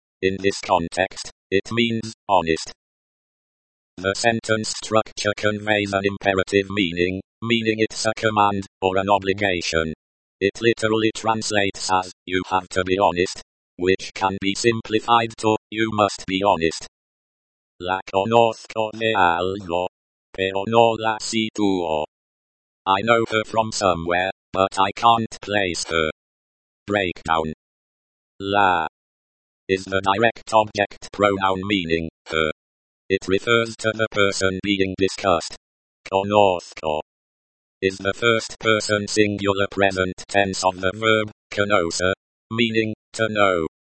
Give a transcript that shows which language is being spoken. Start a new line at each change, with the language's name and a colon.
English: In this context, it means, honest. The sentence structure conveys an imperative meaning, meaning it's a command, or an obligation. It literally translates as, you have to be honest, which can be simplified to, you must be honest.
Spanish: La conozco de algo, pero no la sitúo.
English: I know her from somewhere, but I can't place her. Breakdown. La is the direct object pronoun meaning, her. It refers to the person being discussed. Conozco is the first person singular present tense of the verb, conocer, meaning, to know.